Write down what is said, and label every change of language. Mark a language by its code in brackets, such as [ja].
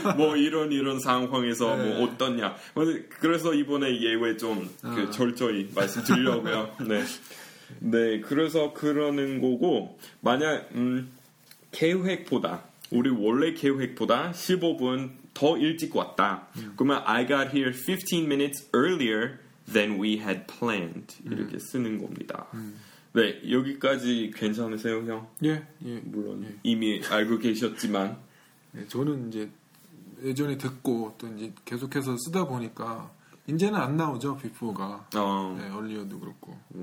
[ko] 뭐 이런 상황에서 뭐 어떠냐. 그래서 이번에 예외 좀 그 철저히 말씀드리려고요. 네. 네. 그래서 그러는 거고, 만약, 계획보다, 우리 원래 계획보다 15분 더 일찍 왔다. [en] 그러면 I got here 15 minutes earlier than we had planned. [ko] 이렇게 쓰는 겁니다. 네, 여기까지 괜찮으세요, 형? 예, 예. 물론 예. 이미 알고 계셨지만. 네, 저는 이제 예전에 듣고 또 이제 계속해서 쓰다 보니까 이제는 안 나오죠, before가. 네, earlier도 그렇고.